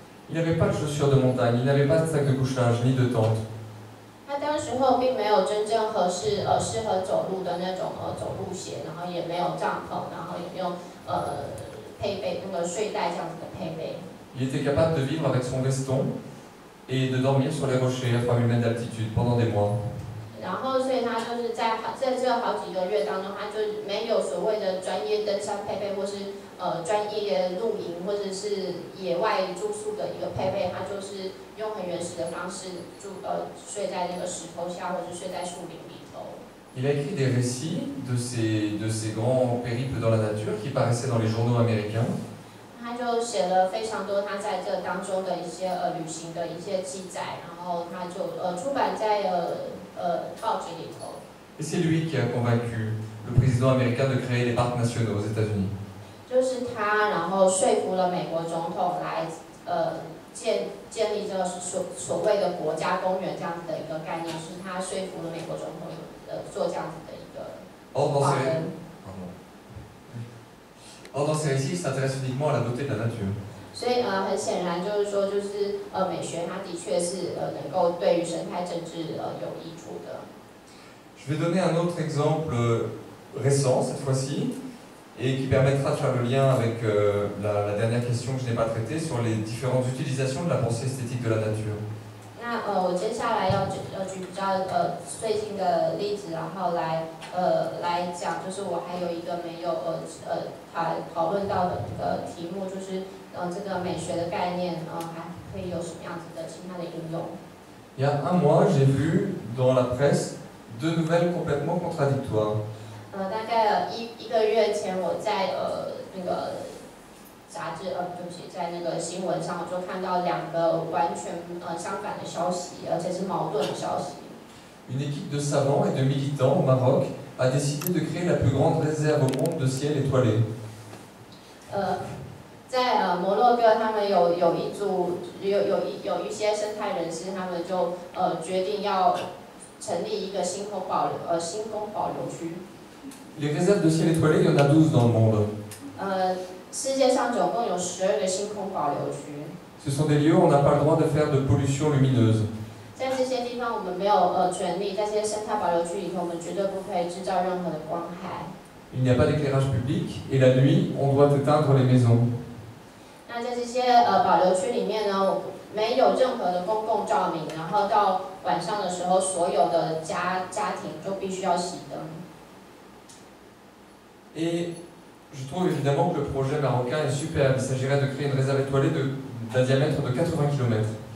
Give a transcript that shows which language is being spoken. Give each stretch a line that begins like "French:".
French: Il n'avait pas de chaussures de montagne, il n'avait pas de sac de couchage ni de tente.
Chinese: 他当时候并没有真正合适适合走路的那种走路鞋，然后也没有帐篷，然后也没有配备那个睡袋这样子的配备。
French: Il était capable de vivre avec son veston et de dormir sur les rochers à 3000 mètres d'altitude pendant des mois.
Chinese: 然后，所以他就是在这好几个月当中，他就没有所谓的专业登山配备，或是专业露营，或者是野外住宿的一个配备，他就是用很原始的方式住睡在那个石头下，或者睡在树林里头。
French: Il a écrit des récits de ces grands périples dans la nature qui paraissaient dans les journaux américains.
Chinese: 他就写了非常多他在这当中的一些旅行的一些记载，然后他就出版在报纸里头。
French: Et c'est lui qui a convaincu le président américain de créer les parcs nationaux aux États-Unis.
Chinese: 就是他，然后说服了美国总统来建立这个所谓的国家公园这样子的一个概念，是他说服了美国总统做这样子的一个华人。
French: Or dans ces récits, il s'intéresse uniquement à la beauté de la nature.
Chinese: 所以很显然就是说，就是美学它的确是能够对于生态政治有益处的。
French: Je vais donner un autre exemple récent cette fois-ci, et qui permettra de faire le lien avec la dernière question que je n'ai pas traitée sur les différentes utilisations de la pensée esthétique de la nature.
Chinese: 那我接下来要举比较最近的例子，然后来讲，就是我还有一个没有讨论到的那个题目，就是这个美学的概念还可以有什么样子的其他的应用。
French: Il y a un mois, j'ai vu dans la presse deux nouvelles complètement contradictoires.
Chinese: 大概一个月前，我在那个杂志就是在那个新闻上，我就看到两个完全相反的消息，而且是矛盾的消息。
French: Une équipe de savants et de militants au Maroc a décidé de créer la plus grande réserve au monde de ciel étoilé.
Chinese: 在摩洛哥，他们有一些生态人士，他们就决定要成立一个星空保留区。
French: Les réserves de ciel étoilé, il y en a 12 dans le monde.
Chinese: 世界上总共有十二个星空保留区。
French: Ce sont des lieux où on n'a pas le droit de faire de pollution lumineuse.
Chinese: 在这些地方，我们没有权利，在这些生态保留区里头，我们绝对不可以制造任何的光害。
French: Il n'y a pas d'éclairage public et la nuit, on doit éteindre les maisons.
Chinese: 那在这些保留区里面呢，没有任何的公共照明，然后到晚上的时候，所有的家庭就必须要熄灯。
French: Et je trouve évidemment que le projet marocain est superbe. Il s'agirait de créer une réserve étoilée d'un diamètre de 80 km.